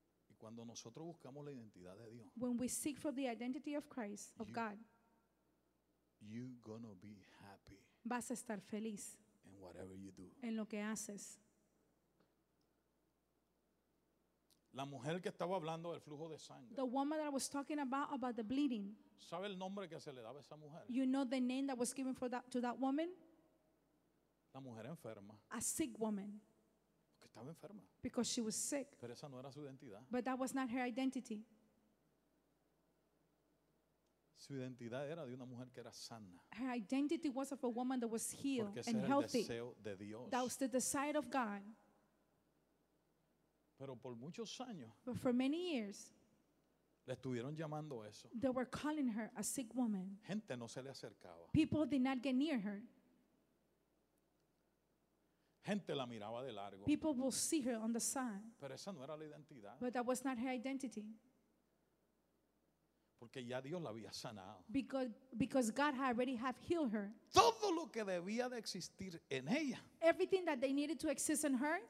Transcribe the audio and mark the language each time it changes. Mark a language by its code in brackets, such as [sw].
[es] Y cuando nosotros buscamos la identidad de Dios. [en] When we seek for the identity of Christ, of God. You're gonna be happy. [es] Vas a estar feliz. [en] In whatever you do. [es] En lo que haces. La mujer que estaba hablando del flujo de sangre. [en] The woman that I was talking about the bleeding. [es] ¿Sabe el nombre que se le daba a esa mujer? [en] You know the name that was given for that to that woman? [es] La mujer enferma. [en] A sick woman. [es] Porque estaba enferma. [en] Because she was sick. [es] Pero esa no era su identidad. [en] But that was not her identity. [es] Su identidad era de una mujer que era sana. [en] Her identity was of a woman that was healed [es] porque [en] and healthy. [es] Porque ese era el deseo de Dios. [en] That was the desire of God. [es] Pero por muchos años. [en] But for many years. [es] Le estuvieron llamando eso. [en] They were calling her a sick woman. [es] Gente no se le acercaba. [en] People did not get near her. [es] Gente la miraba de largo. [en] People will see her on the side. [es] Pero esa no era la identidad. [en] But that was not her identity. [es] Porque ya Dios la había sanado. [en] Because God had already have healed her. [es] Todo lo que debía de existir en ella. [en] Everything that they needed to exist in her.